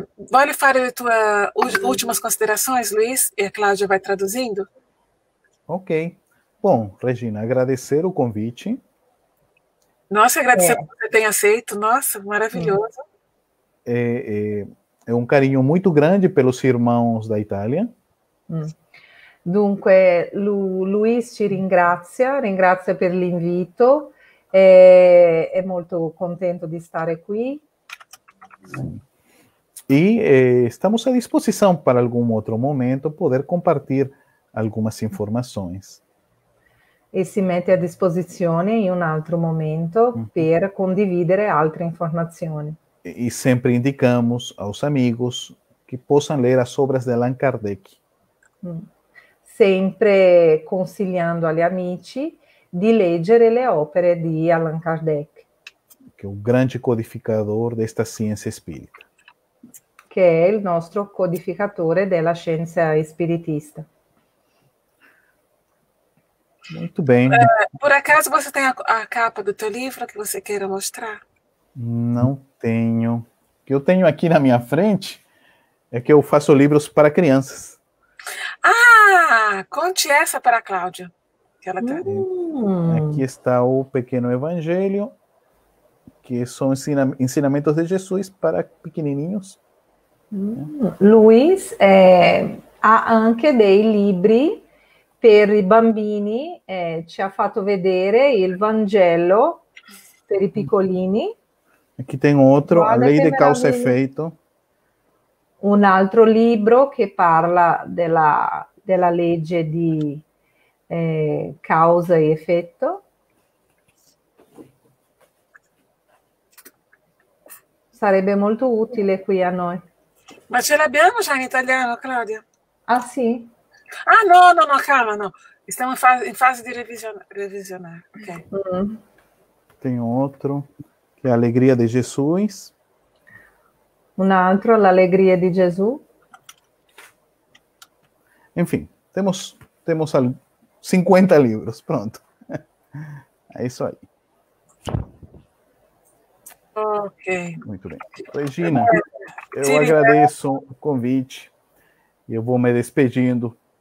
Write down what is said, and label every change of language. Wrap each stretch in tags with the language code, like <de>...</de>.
<it>Voglio fare le tue ultime considerazioni, Luis, e Claudia</it> <pt>vai traduzendo. Ok. Bom, Regina, agradecer o convite. Nossa, agradecer por você ter aceito. Nossa, maravilhoso.</pt> <it>È un carinho molto grande per i irmãos da Itália. Dunque, Luis ci ringrazia, ringrazia per l'invito, è molto contento di stare qui. E stiamo a disposizione per algum altro momento poter</it> <pt>compartir algumas informações.</pt> <it>e si mette a disposizione in un altro momento per condividere altre informazioni.</it> <pt>E sempre indicamos aos amigos que possam ler as obras de Allan Kardec.</pt> <it>Sempre consigliando agli amici di leggere le opere di Allan Kardec, Che è un grande</it> <pt>codificador desta ciência espírita.</pt> <it>che è il nostro codificatore della scienza spiritista.</it> <pt>Muito bem. Por acaso você tem a capa do teu livro que você queira mostrar? Não tenho. O que eu tenho aqui na minha frente é que eu faço livros para crianças. Ah, conte essa para a Cláudia, que ela tá. Aqui está o Pequeno Evangelho, que são ensinamentos de Jesus para pequenininhos.</pt> <it>Luiz ha anche dei libri per i bambini, ci ha fatto vedere il Vangelo per i piccolini.</it> <pt>Aqui tem outro, A</pt> <it>Guarda</it> <pt>Lei</pt> <it>che</it> <pt>de Causa e</pt> <it>meraviglia!</it> <pt>Efeito.</pt> <it>Un altro libro che parla della legge di causa e effetto. Sarebbe molto utile qui a noi. Ma ce l'abbiamo già in italiano, Claudia? Ah, sì? Ah, no, no, no, calma, no. Stiamo in fase di revisionare. Ok.</it> <pt>Tem outro, que é A Alegria de Jesus.</pt> <it>Un altro, l'allegria di Gesù.</it> <pt>Enfim, temos 50 livros, pronto. É isso aí. Ok. Muito bem. Regina, eu agradeço o convite e eu vou me despedindo.</pt>